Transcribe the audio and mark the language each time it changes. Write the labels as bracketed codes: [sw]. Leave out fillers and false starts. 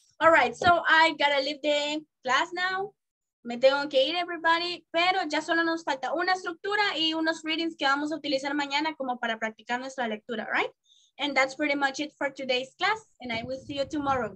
[en] All right, so I gotta leave the class now. [es] Me tengo que ir, everybody, pero ya solo nos falta una estructura y unos readings que vamos a utilizar mañana como para practicar nuestra lectura, right? [en] And that's pretty much it for today's class, and I will see you tomorrow.